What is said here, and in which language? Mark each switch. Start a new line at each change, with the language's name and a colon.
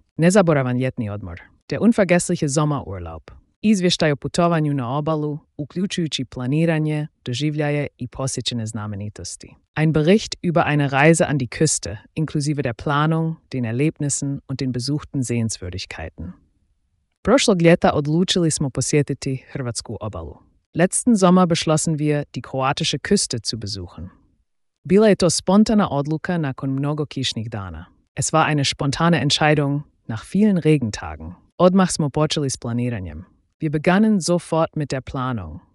Croatian: Ne zaboravan ljetni odmor.
German: Der unvergessliche Sommerurlaub.
Croatian: Izvještaj o putovanju na obalu, uključujući planiranje, doživljaje i posjećene znamenitosti.
German: Ein Bericht über eine Reise an die Küste, inklusive der Planung, den Erlebnissen und den besuchten Sehenswürdigkeiten.
Croatian: Prošlog ljeta odlučili smo posjetiti hrvatsku obalu.
German: Letzten Sommer beschlossen wir, die kroatische Küste zu besuchen.
Croatian: Bila je to spontana odluka nakon mnogo kišnih dana.
German: Es war eine spontane Entscheidung nach vielen Regentagen.
Croatian: Odmah smo počeli s planiranjem.
German: Wir begannen sofort mit der Planung.